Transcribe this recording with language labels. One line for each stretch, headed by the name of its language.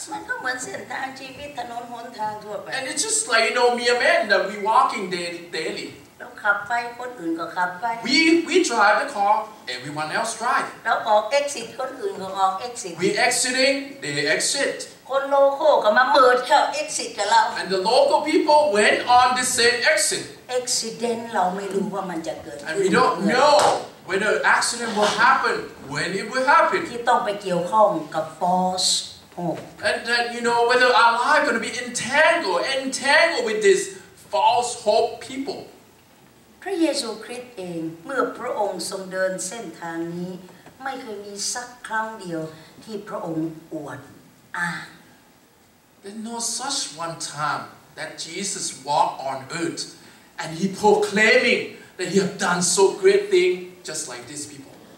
Thai: มันก็เหมือนเส้นทางชีวิตถนนหนทางทั่วไป
English: and it's just like you know me and man that we walking daily
Thai: เราขับไปคนอื่นก็ขับไป
English: we drive the car everyone else drive
Thai: เราออก exit คนอื่นก็ออก exit
English: we exiting they exit
Thai: คนโลโก้ก็มาเมิร์ดเข้า exit กับเรา
English: and the local people went on the same exit
Thai: accident เราไม่รู้ว่ามันจะเกิด
English: ขึ้น We don't know whether accident will happen when it will happen
Thai: ที่ต้องไปเกี่ยวข้องกับ false hope
English: and that you know whether our life going to be entangled with this false hope people
Thai: พระเยซูคริสต์เองเมื่อพระองค์ทรงเดินเส้นทางนี้ไม่เคยมีสักครั้งเดียวที่พระองค์อวดอ้าง
English: There's no such one time that Jesus walked on earthAnd he proclaiming that he have done so great thing just like these people.